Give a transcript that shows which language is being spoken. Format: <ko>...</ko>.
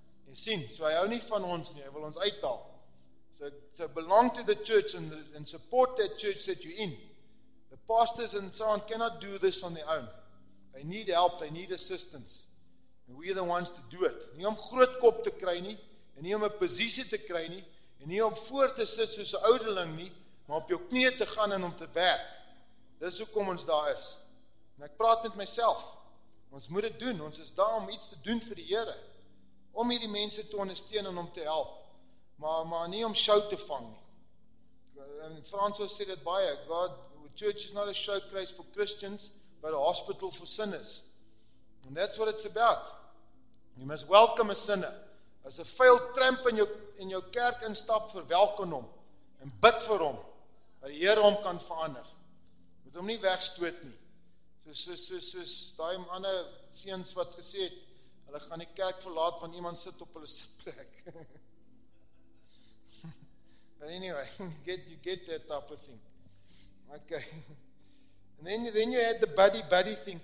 <af>Jy sien, so hy hou nie van ons nie, hy wil ons uithaal.</af> <en>So belong to the church and support that church that you're in. The pastors and so on cannot do this on their own. They need help, they need assistance. And we are the ones to do it.</en> <af>Nie om groot kop te kry nie, en nie om 'n posisie te kry nie, en nie om voor te sit soos 'n ouderling nie, maar op jou knieë te gaan en om te werk. Dis hoekom ons daar is. En ek praat met myself. Ons moet dit doen. Ons is daar om iets te doen vir die Here. Om hierdie mense te ondersteun en om te help. Maar nie om show te vang nie. En Fransos sê dit baie.</af> <en>God, church is not a showcase for Christians, but a hospital for sinners. And that's what it's about. You must welcome a sinner.</en> <af>As</af> <en>a failed tramp</en> <af>in jou kerk instap, verwelkom hom. En bid vir hom. Dat die Here hom kan verander. Moet hom nie wegstoot nie. Soos daai ander seuns wat gesê het, hulle gaan die kerk verlaat van iemand sit op hulle sitplek.</af> <en>But anyway, you get that type of thing. Okay. And then you had the buddy-buddy thing.</en>